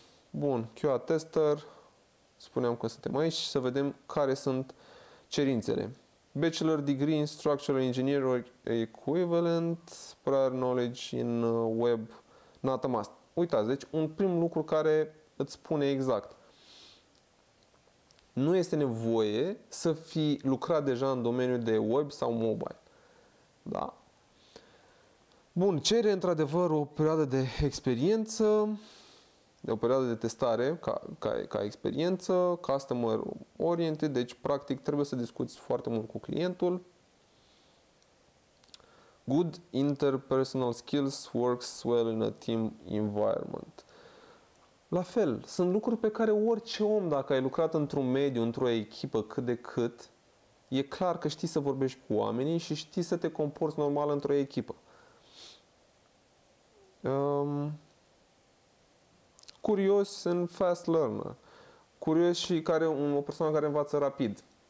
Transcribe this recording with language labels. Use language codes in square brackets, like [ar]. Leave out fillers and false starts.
[ro] Bun, QA tester, spuneam că suntem aici și să vedem care sunt cerințele. [en] Bachelor degree in structural engineering equivalent, prior knowledge in web, not a must. [ro] Uitați, deci un prim lucru care îți spune exact. Nu este nevoie să fii lucrat deja în domeniul de web sau mobile. Da. Bun, cere într-adevăr o perioadă de experiență, o perioadă de testare ca experiență, customer oriented, deci practic trebuie să discuți foarte mult cu clientul. [en] Good interpersonal skills works well in a team environment. [ro] La fel, sunt lucruri pe care orice om, dacă ai lucrat într-un mediu, într-o echipă cât de cât, e clar că știi să vorbești cu oamenii și știi să te comporți normal într-o echipă. [en] Curios and fast learner. [ro] Curios și care o persoană care învață rapid.